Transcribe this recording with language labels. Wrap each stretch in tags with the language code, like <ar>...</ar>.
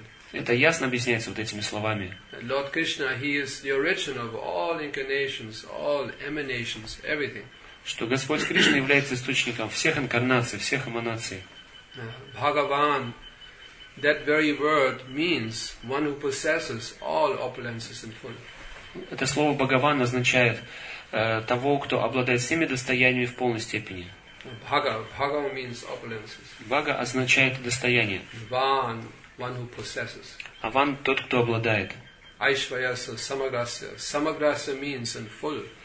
<ru>Это ясно объясняется вот этими словами.</ru> <en>Lord Krishna, he is the origin of all incarnations, all emanations, everything.</en> <ru>Что Господь Кришна является источником всех инкарнаций, всех эманаций. Бхагаван.</ru> <en>That very word means one who possesses all opulences in full.</en> <ru>Это слово Бхагаван означает того, кто обладает всеми достояниями в полной степени.</ru> <en>Bhaga means opulences.</en> <ru>Bhaga означает достояние.</ru> <en>Van, one who possesses.</en> <ru>Аван тот, кто обладает.</ru> <sa>Aishvayasa samagrasya.</sa> <en>Samagrasya means in full.</en>